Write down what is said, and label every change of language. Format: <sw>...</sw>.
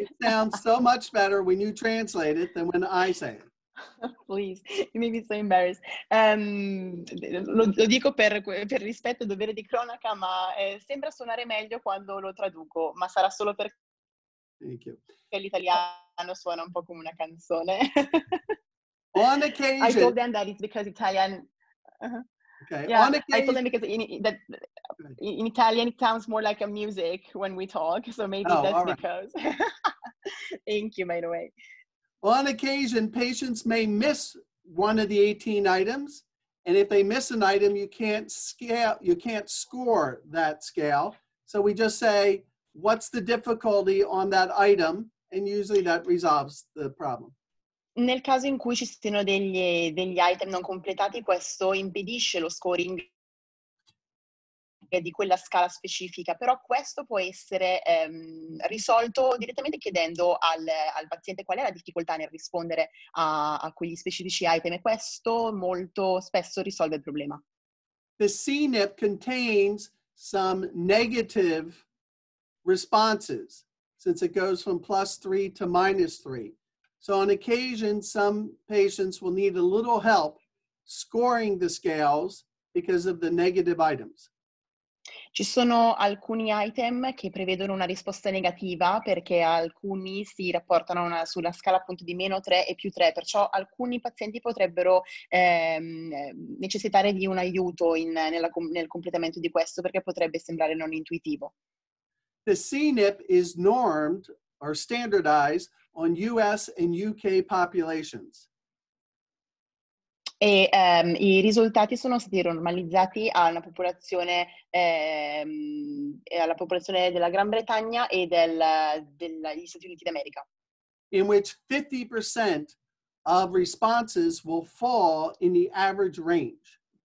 <en>It sounds so much better when you translate it than when I say it. Please, you made me so embarrassed.</en> <it>Lo dico per rispetto e dovere di cronaca, ma sembra suonare meglio quando lo traduco, ma sarà solo perché l'italiano suona un po' come una canzone.</it> <en>On occasion. I told them that it's because Italian. Okay. Yeah, on occasion, I told them because in Italian it sounds more like a music when we talk, so maybe that's right. Because. Thank you, by the way. On occasion, patients may miss one of the 18 items, and if they miss an item, you can't score that scale. So we just say, what's the difficulty on that item? And usually that resolves the problem.</en> <it>Nel caso in cui ci siano degli item non completati, questo impedisce lo scoring di quella scala specifica, però questo può essere risolto direttamente chiedendo al paziente qual è la difficoltà nel rispondere a quegli specifici item, e questo molto spesso risolve il problema.</it> <en>The CNIP contains some negative responses, since it goes from +3 to -3. So on occasion, some patients will need a little help scoring the scales because of the negative items.</en> <it>Ci sono alcuni item che prevedono una risposta negativa perché alcuni si rapportano sulla scala appunto di -3 e +3, perciò alcuni pazienti potrebbero necessitare di un aiuto nel completamento di questo perché potrebbe sembrare non intuitivo.</it> <en>The CNIP is normed or standardized on US and UK populations.</en> <it>E i risultati sono stati normalizzati alla popolazione della Gran Bretagna e degli Stati Uniti d'America.</it> <en>In which 50% of responses will fall in the average range.</en>